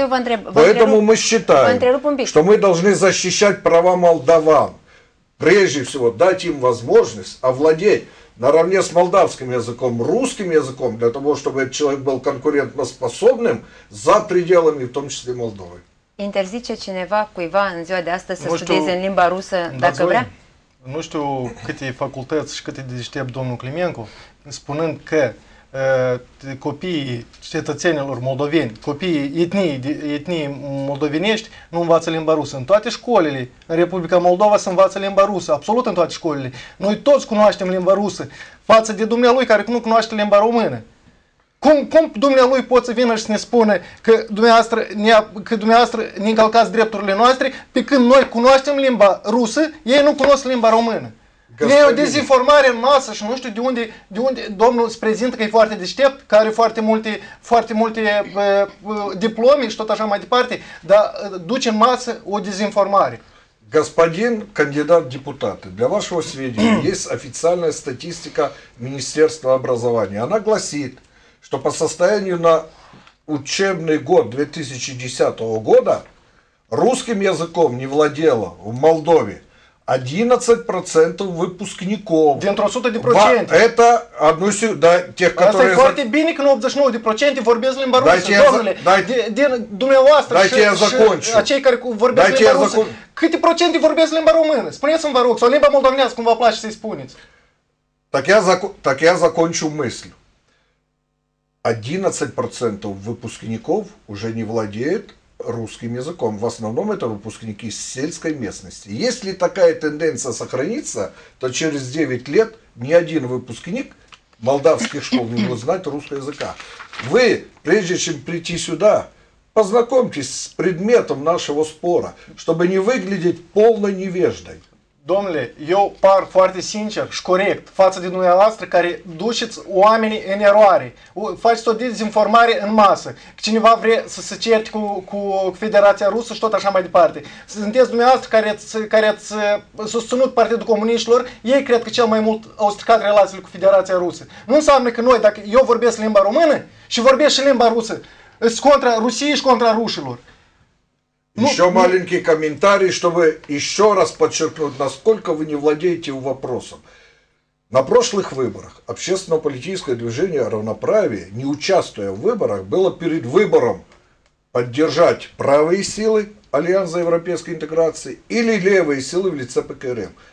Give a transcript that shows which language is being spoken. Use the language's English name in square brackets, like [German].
[Russian] Поэтому мы считаем, что мы должны защищать права молдаван. Прежде всего, дать им возможность овладеть наравне с молдавским языком, русским языком, для того, чтобы этот человек был конкурентоспособным за пределами, в том числе, Молдовы. [Romanian] Интерзиче чинева, куйва, în ziua de astăzi, să studieze în limba rusă, dacă vrea? Nu știu câte facultăți și câte deștept domnul Climencu, spunând că copiii cetățenilor moldoveni, copiii etniei moldovenești nu învață limba rusă. În toate școlile în Republica Moldova se învață limba rusă, absolut în toate școlile. Noi toți cunoaștem limba rusă față de dumnealui care nu cunoaște limba română. Cum dumnealui poți să vină și să ne spune că dumneavoastră ne încălcați drepturile noastre pe când noi cunoaștem limba rusă, ei nu cunosc limba română. E o dezinformare în masă și nu știu de unde domnul se prezintă că e foarte deștept, că are foarte multe diplome și tot așa mai departe, dar duce în masă o dezinformare. [Russian] Господин кандидат депутаты, для вашего сведения, есть официальная статистика Министерства образования. Она гласит, что по состоянию на учебный год 2010 года русским языком не владело в Молдове 11% выпускников. [Romanian] Dintr-o sută de procente. [Russian] Это одну из да, тех, которые... [Romanian] Asta e foarte bine, că 89 de procente vorbesc limba rusă, domnule. Dumneavoastră [Russian] дайте și, я закончу. [Romanian] Și acei care vorbesc limba rusă, câte procente vorbesc limba română? Spuneți-mi, vă rog, sau limba moldovnească, cum vă place să-i spuneți. [Russian] Так я закончу мысль. 11% выпускников уже не владеет русским языком. В основном это выпускники из сельской местности. Если такая тенденция сохранится, то через 9 лет ни один выпускник молдавских школ не будет знать русского языка. Вы, прежде чем прийти сюда, познакомьтесь с предметом нашего спора, чтобы не выглядеть полной невеждой. [Romanian] Domnule, eu par foarte sincer și corect față de dumneavoastră care duceți oamenii în eroare. Faceți o dezinformare în masă. Cineva vrea să se certe cu Federația Rusă și tot așa mai departe. Sunteți dumneavoastră care ați susținut Partidul Comuniștilor, ei cred că cel mai mult au stricat relațiile cu Federația Rusă. Nu înseamnă că noi, dacă eu vorbesc limba română și vorbesc și limba rusă, sunt contra Rusiei și contra rușilor. [Russian] Еще маленький комментарий, чтобы еще раз подчеркнуть, насколько вы не владеете вопросом. На прошлых выборах общественно-политическое движение «Равноправие», не участвуя в выборах, было перед выбором поддержать правые силы Альянс за европейской интеграции или левые силы в лице ПКРМ.